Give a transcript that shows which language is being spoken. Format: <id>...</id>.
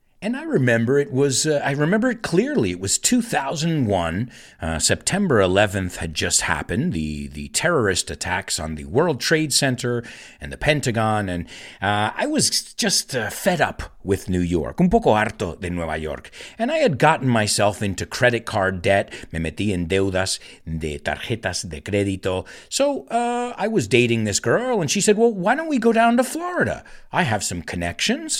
<en>And I remember it was, It was 2001. September 11th had just happened, the terrorist attacks on the World Trade Center and the Pentagon. And I was just fed up with New York,</en> <es>un poco harto de Nueva York.</es> <en>And I had gotten myself into credit card debt.</en> <es>Me metí en deudas de tarjetas de crédito.</es> <en>So I was dating this girl, and she said, well, why don't we go down to Florida? I have some connections.</en>